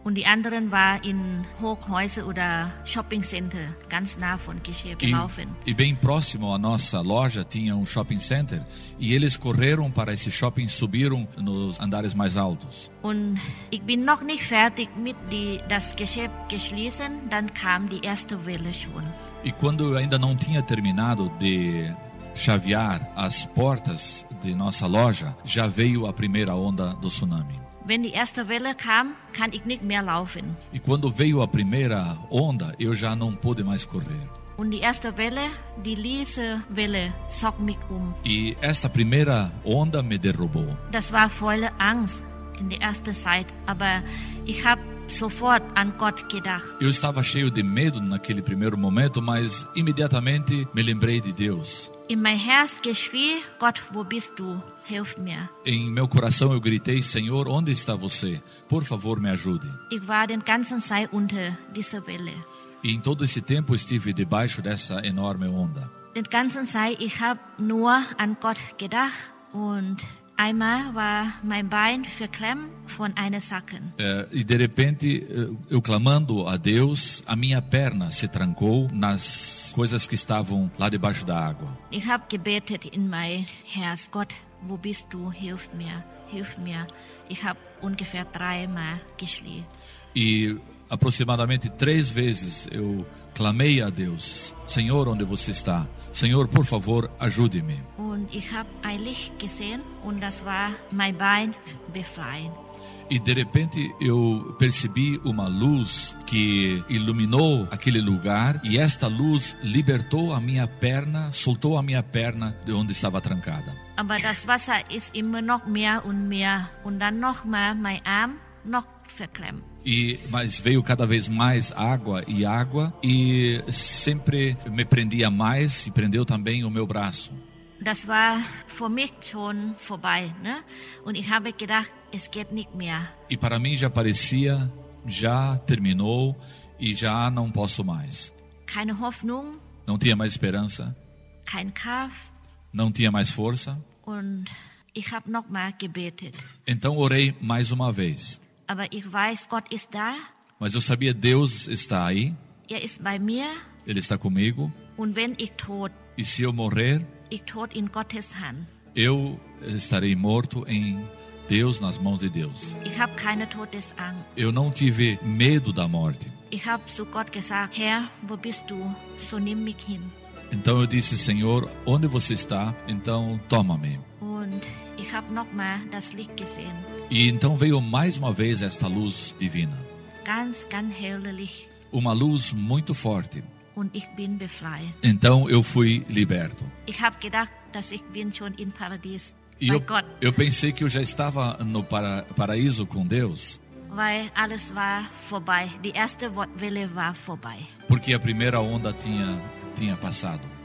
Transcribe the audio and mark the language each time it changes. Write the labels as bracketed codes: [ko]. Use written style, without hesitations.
[de] Und die anderen war in Hochhäuser oder Shopping Center, ganz nah von Geschäft gelaufen. [pt] E bem próximo à nossa loja tinha um shopping center e eles correram para esse shopping, subiram nos andares mais altos. [de] Und ich bin noch nicht fertig mit das Geschäft geschließen, dann kam die erste Welle schon. [pt] E quando eu ainda não tinha terminado de chavear as portas de nossa loja, já veio a primeira onda do tsunami. [de] Wenn die erste Welle kam, kann ich nicht mehr laufen. [pt] E quando veio a primeira onda, eu já não pude mais correr. [de] Und die erste Welle, die diese Welle zog mich um. [pt] E esta primeira onda me derrubou. [de] Das war volle Angst in der ersten Zeit, aber ich habe sofort an Gott gedacht. [pt] Eu estava cheio de medo naquele primeiro momento, mas imediatamente me lembrei de Deus. [en] In my heart, [de] geschrie, Gott, wo bist du? Hilf mir. [pt] Em meu coração eu gritei, Senhor, onde está você? Por favor, me ajude. [de] Ich war den ganzen Zeit unter dieser Welle. [pt] E em todo esse tempo estive debaixo dessa enorme onda. [de] Den ganzen Zeit, ich habe nur an Gott gedacht und einmal war mein Bein verklemmt von einer Sacken. [pt] E de repente, eu clamando a Deus, a minha perna se trancou nas coisas que estavam lá debaixo da água. [de] Ich habe gebetet in mein Herz, Gott, wo bist du? Hilf mir, hilf mir. Ich habe ungefähr dreimal geschrien. [pt] E aproximadamente 3 vezes eu clamei a Deus, Senhor, onde você está? Senhor, por favor, ajude-me. [de] Und ich habe ein Licht gesehen und das war mein Bein befreien. [pt] E de repente eu percebi uma luz que iluminou aquele lugar e esta luz libertou a minha perna, soltou a minha perna de onde estava trancada. [de] Aber das Wasser ist immer noch mehr und mehr und dann noch mal mein Arm noch verklemmt. [pt] Mas veio cada vez mais água e água e sempre me prendia mais e prendeu também o meu braço. [de] Das war für mich schon vorbei, ne? Und ich habe gedacht, es geht nicht mehr. [pt] E para mim já parecia, já terminou e já não posso mais. [de] Keine Hoffnung. [pt] Não tinha mais esperança. [de] Kein Kraft. [pt] Não tinha mais força. [de] Und ich habe noch mal gebetet. [pt] Então orei mais uma vez. [de] Aber ich weiß, Gott ist da. [pt] Mas eu sabia, Deus está aí. [de] Er ist bei mir. [pt] Ele está comigo. [de] Und wenn ich tot, [pt] e se eu morrer, [de] ich tot in Gottes Hand. [pt] Eu estarei morto em Deus, nas mãos de Deus. [de] Ich habe keine Todesangst. [pt] Eu não tive medo da morte. [de] Ich habe zu Gott gesagt, Herr, wo bist du? So nimm mich hin. [pt] Então eu disse, Senhor, onde você está? Então toma-me. [de] Und ich habe noch mal das Licht gesehen. [pt] E então veio mais uma vez esta luz divina. [de] Ganz, ganz helle Licht. [pt] Uma luz muito forte. [de] Und ich bin befreit. [pt] Então eu fui liberto. [de] Ich habe gedacht, dass ich bin schon in Paradies. [pt] E eu pensei que eu já estava no paraíso com Deus. [de] Weil alles war vorbei. Die erste Welle war vorbei. [pt] Porque a primeira onda tinha tinha passado.